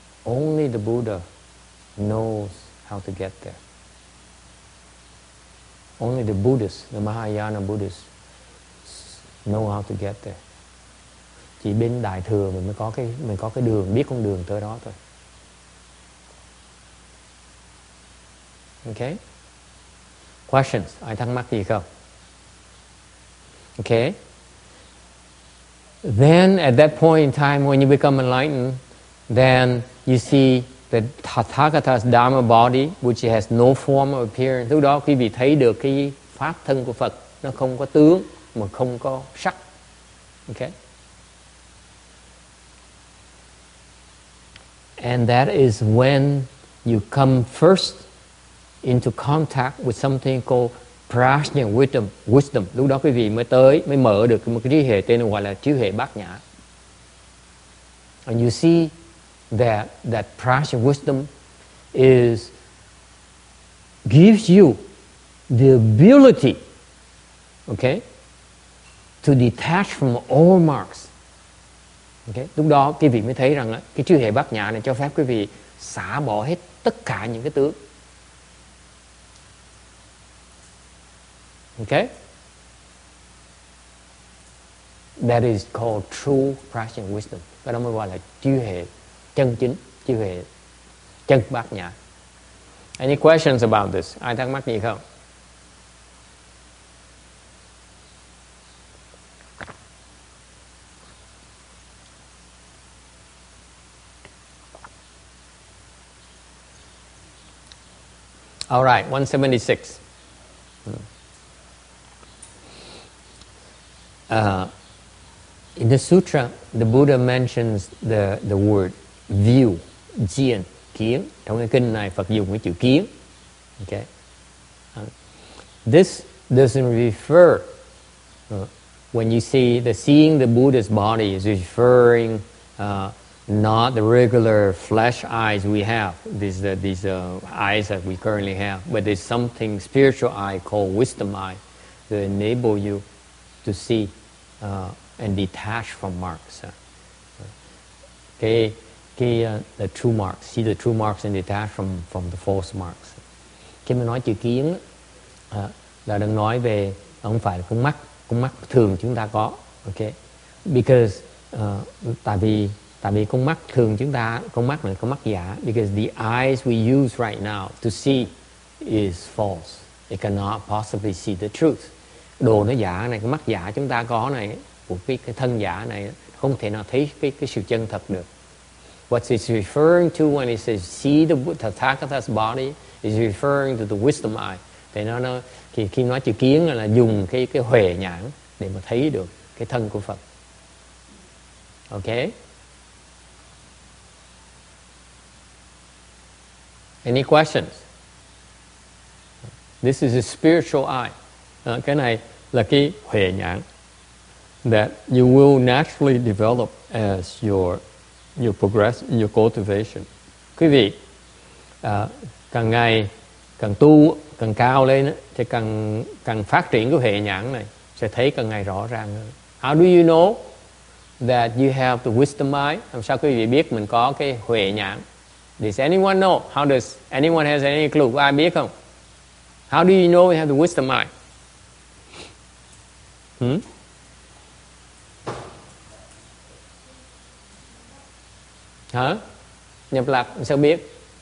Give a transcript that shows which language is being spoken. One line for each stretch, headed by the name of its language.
English: Only the Buddha knows how to get there. Only the Buddhists, the Mahayana Buddhists, know how to get there.
Vietnamese: Chỉ bên Đại Thừa mình mới có cái, mình có cái đường, biết con đường tới đó thôi.
English: Okay? Questions?
Vietnamese: Ai thắc mắc gì không?
English: Okay? Then at that point in time when you become enlightened, then you see the Tathagata's Dharma body, which has no form or appearance.
Vietnamese: Lúc đó quý vị thấy được cái pháp thân của Phật, nó không có tướng, mà không có sắc.
English: Okay? And that is when you come first into contact with something called Prajna wisdom, wisdom.
Vietnamese: Lúc đó quý vị mới tới, mới mở được một cái trí hệ tên gọi là trí hệ bát nhã.
English: And you see that that Prajna wisdom is gives you the ability, okay, to detach from all marks.
Vietnamese: Okay, lúc đó quý vị mới thấy rằng á, cái trí hệ bát nhã này cho phép quý vị xả bỏ hết tất cả những cái tướng.
English: Okay? That is called true practicing wisdom.
Vietnamese: Cái đó mới gọi là trí huệ chân chính, trí huệ chân bát nhã.
English: Any questions about this?
Vietnamese: Ai thắc mắc gì không?
English: All right, 176. In the sutra, the Buddha mentions the word view, jian, kiến.
Vietnamese: Trong cái kinh này, Phật dùng cái chữ kiến.
English: Okay. This doesn't refer, when you see the seeing the Buddha's body is referring not the regular flesh eyes we have, these eyes that we currently have, but there's something spiritual eye called wisdom eye that enable you to see and detach from marks. The true marks, see the true marks and detach from the false marks.
Vietnamese: Khi mình nói chữ kiến là đang nói về không phải là con mắt thường chúng ta có. Okay, because tại vì con mắt thường chúng ta, con mắt là con mắt giả.
English: Because the eyes we use right now to see is false. It cannot possibly see the truth.
Vietnamese: Đồ nó giả này, cái mắt giả chúng ta có này, của cái thân giả này không thể nào thấy cái sự chân thật được.
English: What it's referring to when it says see the Tathagata's body is referring to the wisdom eye.
Vietnamese: Thì nó khi nói chữ kiến là dùng cái huệ nhãn để mà thấy được cái thân của Phật.
English: Okay? Any questions? This is a spiritual eye.
Vietnamese: Cái này là cái huệ nhãn
English: that you will naturally develop as your progress in your cultivation.
Vietnamese: Quý vị, càng ngày càng tu càng cao lên thì càng phát triển cái huệ nhãn này sẽ thấy càng ngày rõ ràng hơn.
English: How do you know that you have the wisdom eye?
Vietnamese: Làm sao quý vị biết mình có cái huệ nhãn?
English: Does anyone know? How does anyone has any clue?
Vietnamese: Có ai biết không?
English: How do you know you have the wisdom eye?
Vietnamese: Hả? Nhập lạc sao biết?